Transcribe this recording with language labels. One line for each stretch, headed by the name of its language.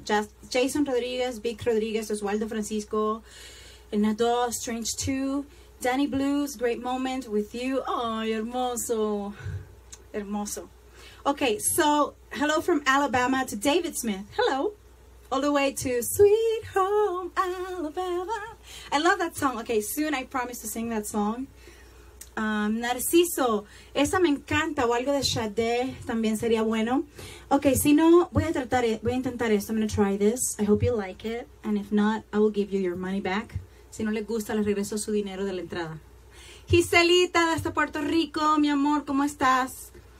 English: Just Jason Rodriguez, Vic Rodriguez, Oswaldo Francisco, Enado, Strange 2, Danny Blues, Great Moment with You. Oh,
Spanish: hermoso. Hermoso.
English: Okay, so hello from Alabama to David Smith. Hello. All the way to Sweet Home Alabama. I love that song. Okay, soon I promise to sing that song.
Spanish: Narciso, esa me encanta, o algo de Sade también sería bueno.
English: Okay,
Spanish: si no, voy a intentar esto.
English: I'm going to try this. I hope you like it. And if not, I will give you your money back.
Spanish: Si no le gusta, le regreso su dinero de la entrada. Giselita, desde Puerto Rico, mi amor, ¿cómo estás?